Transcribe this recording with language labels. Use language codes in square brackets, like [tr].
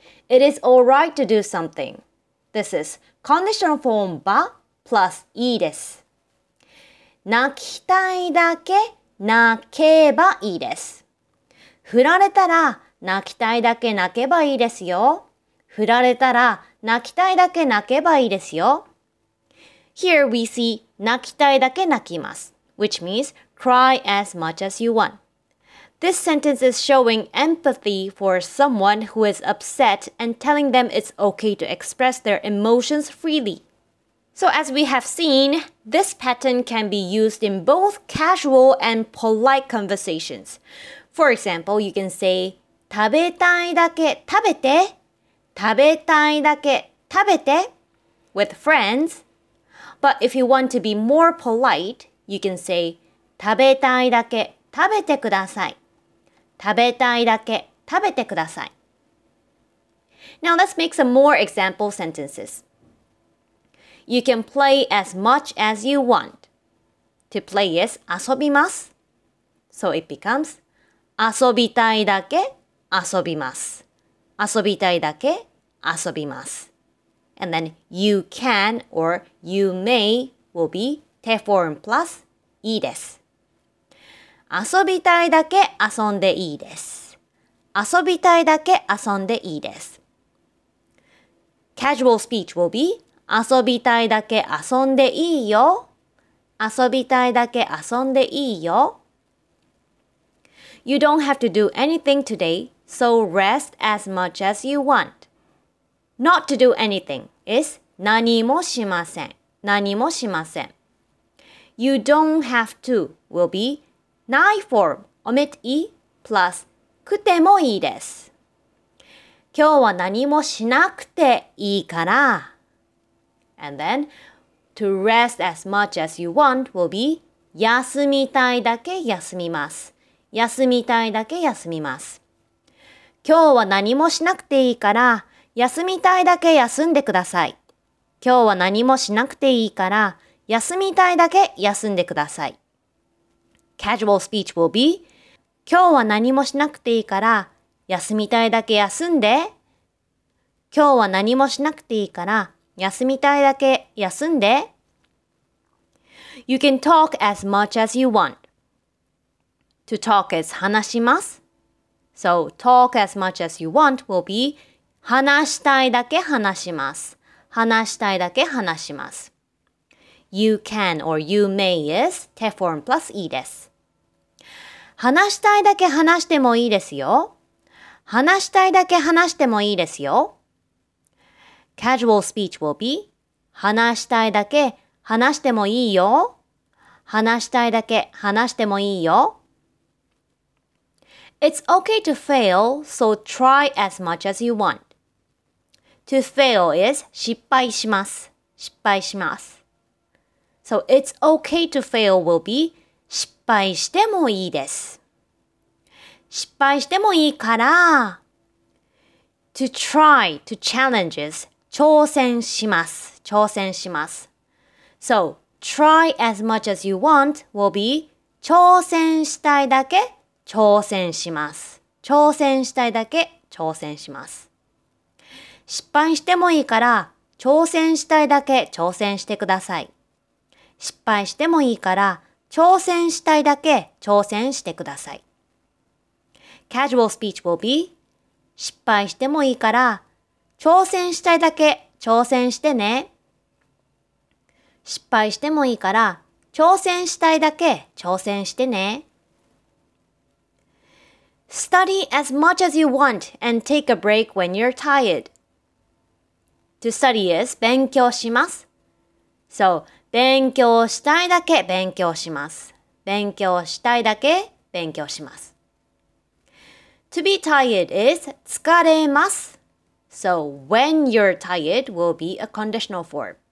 [en] It is alright to do something. This is conditional form ba plus [ja] いいです。泣きたいだけ泣けばいいです。振られたら泣きたいだけ泣けばいいですよ。振られたら泣きたいだけ泣けばいいですよ。 [en] Here we see [ja] 泣きたいだけ泣きます。 [en] Which means,Cry as much as you want. This sentence is showing empathy for someone who is upset and telling them it's okay to express their emotions freely. So as we have seen, this pattern can be used in both casual and polite conversations. For example, you can say, [ja] 食べたいだけ食べて食べたいだけ食べて [en] with friends. But if you want to be more polite, you can say, [ja] 食べたいだけ食べてください。食べたいだけ食べてください。 [en] Now let's make some more example sentences. You can play as much as you want. To play is [ja] 遊びます。 [en] So it becomes [ja] 遊びたいだけ遊びます。遊びたいだけ遊びます。 [en] And then you can or you may will be te form plus [ja] いいです。遊びたいだけ遊んでいいです。遊びたいだけ遊んでいいです。 [en] Casual speech will be [ja] 遊びたいだけ遊んでいいよ。遊びたいだけ遊んでいいよ。 [en] You don't have to do anything today, so rest as much as you want. Not to do anything is [ja] 何もしません。何もしません。 [en] You don't have to will be ない form omit e plus [ja] くてもいいです。今日は何もしなくていいから。 [en] And then, to rest as much as you want will be [ja] 休みたいだけ休みます。休みたいだけ休みます。今日は何もしなくていいから、休みたいだけ休んでください。今日は何もしなくていいから、休みたいだけ休んでください。 [en] Casual speech will be [ja] 今日は何もしなくていいから、休みたいだけ休んで。今日は何もしなくていいから、休みたいだけ休んで。 [en] You can talk as much as you want. To talk is [ja] 話します。 [en] So, talk as much as you want will be [ja] 話したいだけ話します。話したいだけ話します。 [en] You can or you may is te form plus [ja] いいです。話したいだけ話してもいいですよ。話したいだけ話してもいいですよ。 [en] Casual speech will be [ja] 話したいだけ話してもいいよ。話したいだけ話してもいいよ。 [en] It's okay to fail, so try as much as you want. To fail is [ja] 失敗します。失敗します。 [en] So it's okay to fail will be [ja] 失敗してもいいです。失敗してもいいから。 [en] To try, to challenge is [ja] 挑戦します。挑戦します。 [en] So, try as much as you want will be [ja] 挑戦したいだけ挑戦します。挑戦したいだけ挑戦します。失敗してもいいから挑戦したいだけ挑戦してください。失敗してもいいから挑戦したいだけ挑戦してください。 [en] Casual speech will be [ja] 失敗してもいいから挑戦したいだけ挑戦してね。失敗してもいいから挑戦したいだけ挑戦してね。 [en] Study as much as you want and take a break when you're tired. To study is [ja] 勉強します。 So, 勉強したいだけ勉強します。勉強したいだけ勉強します。 [en] To be tired is [ja] 疲れます。 [en] So when you're tired will be a conditional form.